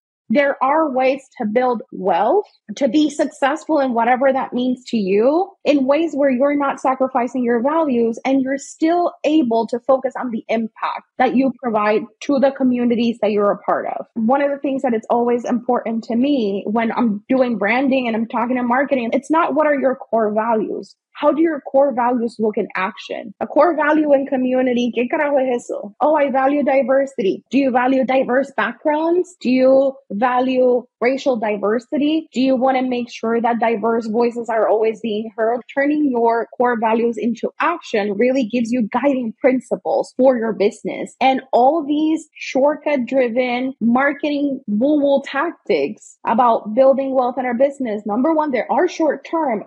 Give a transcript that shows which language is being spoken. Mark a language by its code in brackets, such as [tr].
[en] There are ways to build wealth, to be successful in whatever that means to you, in ways where you're not sacrificing your values and you're still able to focus on the impact that you provide to the communities that you're a part of. One of the things that it's always important to me when I'm doing branding and I'm talking to marketing, it's not what are your core values. How do your core values look in action? A core value in community, [es] ¿qué carajo es eso? [en] Oh, I value diversity. Do you value diverse backgrounds? Do you value racial diversity? Do you want to make sure that diverse voices are always being heard? Turning your core values into action really gives you guiding principles for your business. And all these shortcut-driven marketing woo-woo tactics about building wealth in our business, number one, they are short-term.